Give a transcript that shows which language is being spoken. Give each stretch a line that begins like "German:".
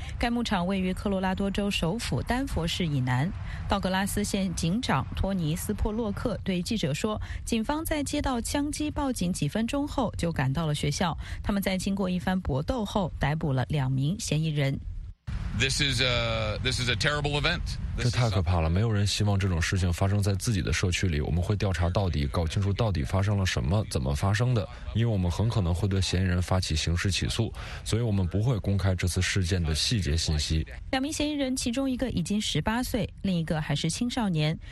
Chinese: 该牧场位于科罗拉多州首府丹佛市以南。道格拉斯县警长托尼斯珀洛克对记者说，警方在接到枪击报警几分钟后就赶到了学校，他们在经过一番搏斗后逮捕了两名嫌疑人。
English: This is a terrible event.
Chinese: 这太可怕了，没有人希望这种事情发生在自己的社区里。我们会调查到底，搞清楚到底发生了什么，怎么发生的，因为我们很可能会对嫌疑人发起刑事起诉，所以我们不会公开这次事件的细节信息。两名嫌疑人其中一个已经18岁，另一个还是青少年。